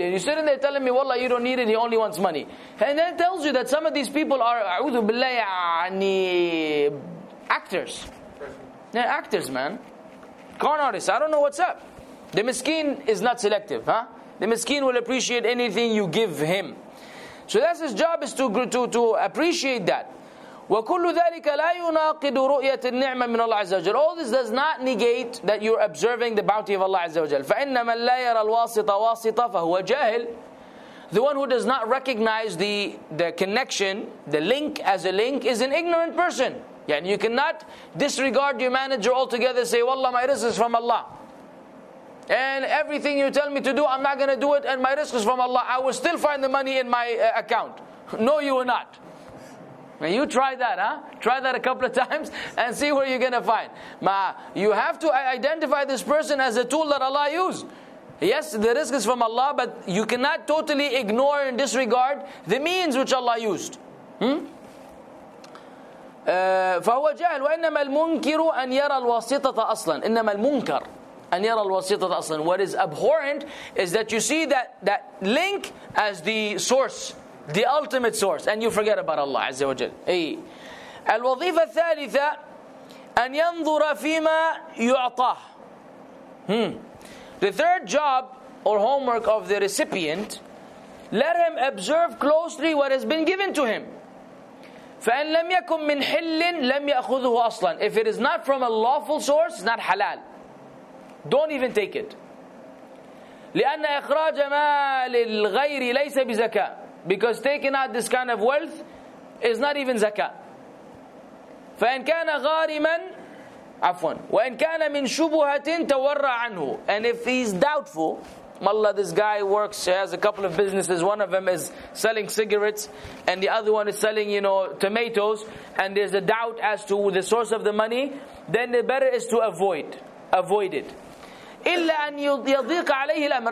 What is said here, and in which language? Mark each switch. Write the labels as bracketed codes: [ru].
[en] And you're sitting there telling me, wallah, you don't need it, he only wants money. And that tells you that some of these people are, [ar] a'udhu billahi, [en] yani, actors. They're actors, man. Con artists, I don't know what's up. The miskin is not selective, huh? The miskin will appreciate anything you give him. So that's his job, is to appreciate that. [ar] وكل ذلك لا يناقض رؤية النعمة من الله عز وجل. [en] All this does not negate that you're observing the bounty of Allah [ar] عز وجل. فإن من لا يرى الواسطة واسطة فهو جاهل. [en] The one who does not recognize the connection, the link as a link, is an ignorant person. Yeah, and you cannot disregard your manager altogether and say, والله my risk is from Allah. And everything you tell me to do, I'm not going to do it, and my risk is from Allah. I will still find the money in my account. No, you will not. Now you try that, huh? Try that a couple of times and see where you're going to find. Ma, you have to identify this person as a tool that Allah used. Yes, the risk is from Allah, but you cannot totally ignore and disregard the means which Allah used. [ar] فَهُوَ جَاهِلُ وَإِنَّمَا الْمُنْكِرُ أَنْ يَرَى الْوَاسِطَةَ أَصْلًا إِنَّمَا الْمُنْكَرُ أَنْ يَرَى الْوَاسِطَةَ أَصْلًا. [en] What is abhorrent is that you see that link as the source, the ultimate source, and you forget about Allah [ar] عز وجل. أي الوظيفة الثالثة أن ينظر فيما يعطاه. [en] The third job or homework of the recipient, let him observe closely what has been given to him. [ar] فإن لم يكن من حل لم يأخذه أصلا. [en] If it is not from a lawful source, not halal, don't even take it. [ar] لأن إخراج مال الغير ليس بزكاة. [en] Because taking out this kind of wealth is not even zakah. [ar] فإن كان غارما عفوا وإن كان من شبهة تورع عنه. [en] And if he's doubtful, mallah, this guy works, he has a couple of businesses, one of them is selling cigarettes and the other one is selling, you know, tomatoes, and there's a doubt as to the source of the money, then the better is to avoid it. [ar] إلا أن يضيق عليه الأمر.